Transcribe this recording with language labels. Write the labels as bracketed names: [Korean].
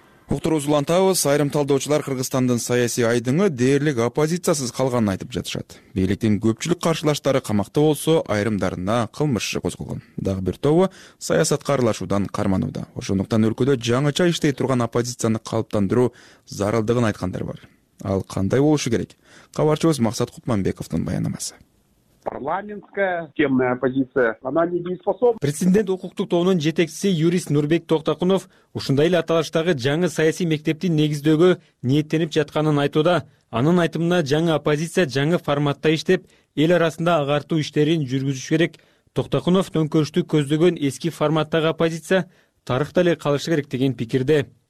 [Kyrgyz] Укторозул антабыз, айрым талдоочулар Кыргызстандын саясий айдыңы дээрлик оппозициясыз калганын айтып жатышат. Бийликтин көпчүлүк каршылаштары камакта болсо, айрымдарына кылмыш иши козголгон. Дагы бир тобу саясатка аралашуудан карманууда. Ошондуктан өлкөдө жаңыча иштей турган оппозицияны калыптандыруу зарылдыгын айткандар бар. Ал кандай болушу керек? Кабарчыбыз Максат Кутманбековдун баяндамасы. [Russian] Парламентская темная оппозиция, она не дееспособна. [Kyrgyz] Президент укуктук тобунун жетекчиси юрист Нурбек Токтокунов ушундай эле аталыштагы жаңы саясий мектепти негиздөөгө ниеттенип жатканын айтууда. Анын айтымына жаңы оппозиция жаңы форматта иштеп, эл арасында агартуу иштерин жүргүзүш керек. Токтокунов төңкөрүштү көздөгөн эски форматтагы оппозиция тарыхта эле калышы керек деген пикирде.